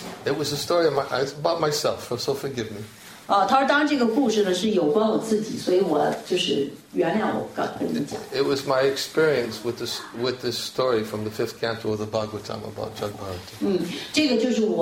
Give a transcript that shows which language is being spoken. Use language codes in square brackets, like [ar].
[en] It was a story of it's about myself, so forgive me. [zh] 他说当这个故事呢是有关我自己，所以我就是原谅我跟你讲。 [en] It was my experience with this story from the fifth canto of the Bhagavatam about Jadbharata.